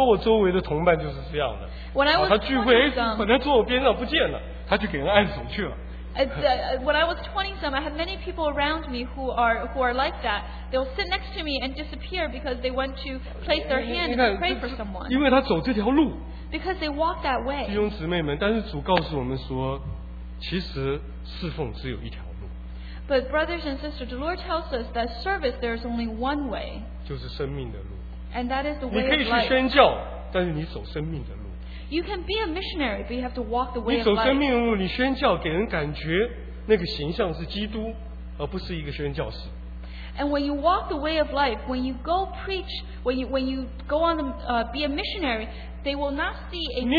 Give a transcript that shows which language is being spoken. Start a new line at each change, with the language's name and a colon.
Chinese: 现在比较温和一点。我自己二十多岁的时候，好多我周围的同伴就是这样的。
English: When I was
Chinese: 他聚会，本来坐我边上不见了，他就给人按手去了。
English: When I was 20-some, I had many people around me who are like that. They'll sit next to me and disappear because they went to place their hand and pray for someone.
Chinese: 因为他走这条路,
English: because they walk that way.
Chinese: 弟兄姊妹们, 但是主告诉我们说, 其实侍奉只有一条路,
English: but brothers and sisters, the Lord tells us that service, there's only one way.
Chinese: 就是生命的路,
English: and that is the way
Chinese: 你可以去宣教,
English: of life.
Chinese: 但是你走生命的路。
English: You can be a missionary, but you have to walk the way of life.
Chinese: 你走生命路，你宣教，给人感觉那个形象是基督，而不是一个宣教士。
English: And when you walk the way of life, when you go preach, when you go on the, be a missionary, they will not see a missionary.